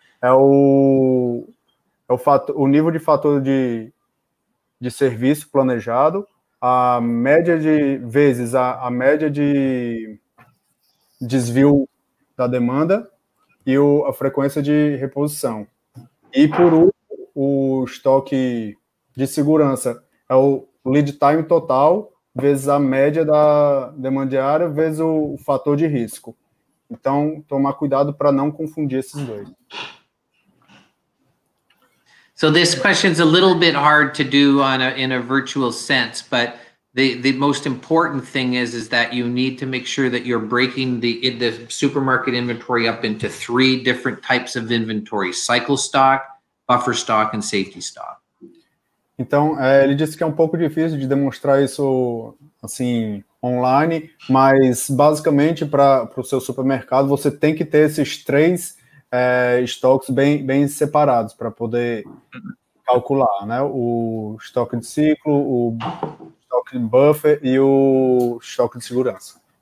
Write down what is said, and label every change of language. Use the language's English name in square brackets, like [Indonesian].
[Portuguese] É o nível de fator de serviço planejado, a média de vezes a média de desvio da demanda e a frequência de reposição. E, por último, o estoque de segurança é o lead time total vezes a média da demanda diária vezes o fator de risco. Então, tomar cuidado para não confundir esses dois. [English] So this question is a little bit hard to do on a, in a virtual sense, but the most important thing is that you need to make sure that you're breaking the supermarket inventory up into three different types of inventory: cycle stock, buffer stock, and safety stock. [Portuguese] Então, ele disse que é um pouco difícil de demonstrar isso assim online, mas basicamente para o seu supermercado você tem que ter esses três estoques bem separados para poder calcular, né? O estoque de ciclo, o estoque de buffer e o estoque de segurança.